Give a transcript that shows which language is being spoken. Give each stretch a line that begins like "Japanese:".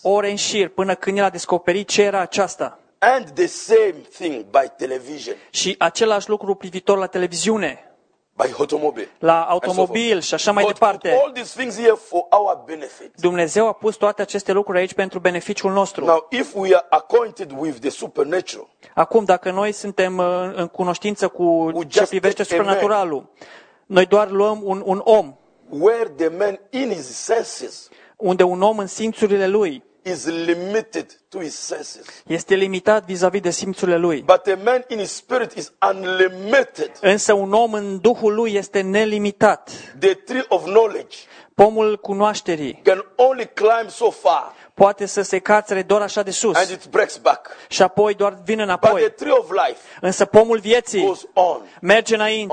Romanian: Ore în șir până când el a descoperit ce era aceasta.
English: And the same thing by television.
Romanian: Și același lucru privitor la televiziune.
English: By automobile.
Romanian: La automobil și așa mai departe.
English: All these things here for our benefit.
Romanian: Dumnezeu a pus toate aceste lucruri aici pentru beneficiul nostru.
English: Now if we are acquainted with the supernatural.
Romanian: Acum dacă noi suntem în cunoștință cu ce privește supernaturalul. Noi doar luăm un om.
English: Where the man in his senses,
Romanian: unde un om în simțurile lui,
English: is limited to his senses.
Romanian: Este limitat vis-a-vis de simțurile lui.
English: But a man in his spirit is unlimited.
Romanian: Însă un om în duhul lui este nelimitat.
English: The tree of knowledge,
Romanian: pomul cunoașterii,
English: can only climb so far.
Romanian: Poate să se cațere doar așa de sus.
English: And it breaks back.
Romanian: Și apoi doar vine înapoi.
English: But the tree of life,
Romanian: însă pomul vieții,
English: goes on,
Romanian: merge înainte,